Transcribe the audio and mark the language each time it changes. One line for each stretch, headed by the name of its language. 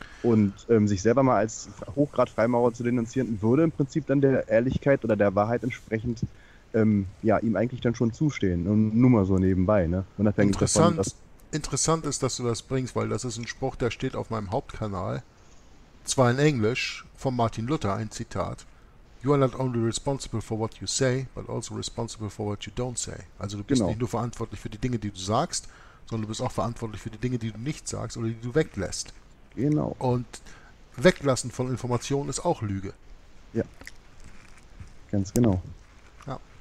German: Und sich selber mal als Hochgrad-Freimaurer zu denunzieren, würde im Prinzip dann der Ehrlichkeit oder der Wahrheit entsprechend ja, ihm eigentlich dann schon zustehen. Und nur mal so nebenbei, ne? Unabhängig interessant, davon, interessant ist, dass du das bringst, weil das ist ein Spruch, der steht auf meinem Hauptkanal. Zwar in Englisch, von Martin Luther, ein Zitat.
English: You are not only responsible for what you say, but also responsible for what you don't say.
German: Also du bist genau. Nicht nur verantwortlich für die Dinge, die du sagst, sondern du bist auch verantwortlich für die Dinge, die du nicht sagst oder die du weglässt. Genau. Und weglassen von Informationen ist auch Lüge. Ja. Ganz genau. Ja.